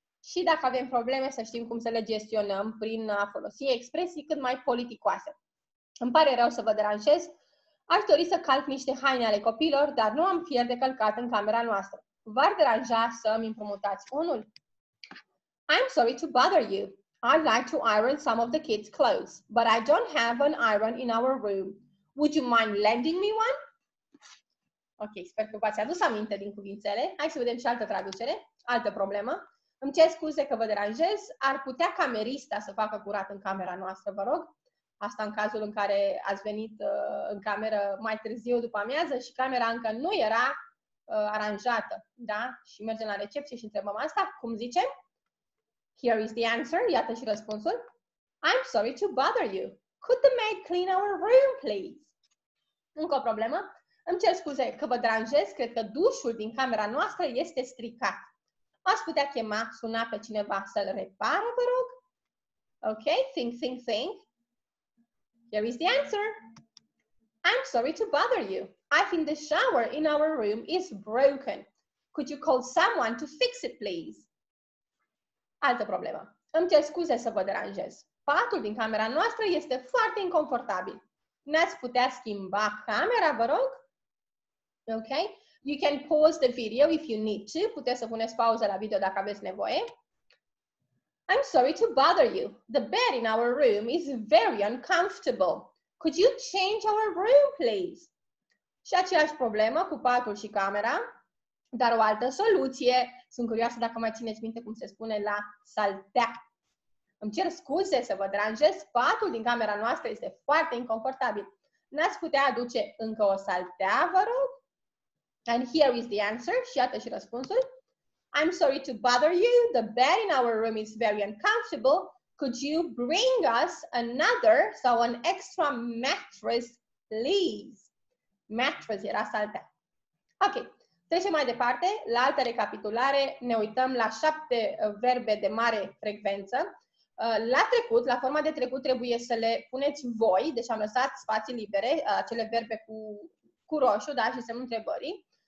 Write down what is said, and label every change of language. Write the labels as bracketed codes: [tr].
[ro] Și dacă avem probleme, să știm cum să le gestionăm prin a folosi expresii cât mai politicoase. Îmi pare rău să vă deranjez. Aș dori să calc niște haine ale copilor, dar nu am fier de călcat în camera noastră. V-ar deranja să îmi împrumutați unul? [en] I'm sorry to bother you. I'd like to iron some of the kids' clothes, but I don't have an iron in our room. Would you mind lending me one? [ro] Ok, sper că v-ați adus aminte din cuvințele. Hai să vedem și altă traducere, altă problemă. Îmi cer scuze că vă deranjez. Ar putea camerista să facă curat în camera noastră, vă rog? Asta în cazul în care ați venit în cameră mai târziu după amiază și camera încă nu era aranjată, da? Și mergem la recepție și întrebăm asta, cum zicem? [en] Here is the answer, [ro] iată și răspunsul. [en] I'm sorry to bother you. Could the maid clean our room, please? [ro] Încă o problemă. Îmi cer scuze că vă deranjez, cred că dușul din camera noastră este stricat. Aș putea chema, suna pe cineva să-l repare, vă rog? [en] Ok, think. Here is the answer. I'm sorry to bother you. I think the shower in our room is broken. Could you call someone to fix it, please? [ro] Altă problemă. Îmi cer scuze să vă deranjez. Patul din camera noastră este foarte inconfortabil. N-ați putea schimba camera, vă rog? Ok? [en] You can pause the video if you need to. [ro] Puteți să puneți pauză la video dacă aveți nevoie. [en] I'm sorry to bother you. The bed in our room is very uncomfortable. Could you change our room, please? [ro] Și aceeași problemă cu patul și camera, dar o altă soluție. Sunt curioasă dacă mai țineți minte cum se spune la saltea. Îmi cer scuze să vă deranjez. Patul din camera noastră este foarte inconfortabil. N-ați putea aduce încă o saltea, vă rog? [en] And here is the answer. [ro] Și iată și răspunsul. [en] I'm sorry to bother you. The bed in our room is very uncomfortable. Could you bring us another, so an extra mattress, please? [ro] Mattress era saltea. Ok, trecem mai departe. La altă recapitulare ne uităm la 7 verbe de mare frecvență. La trecut, la forma de trecut, trebuie să le puneți voi, deci am lăsat spații libere, acele verbe cu roșu, da, și semnul întrebării.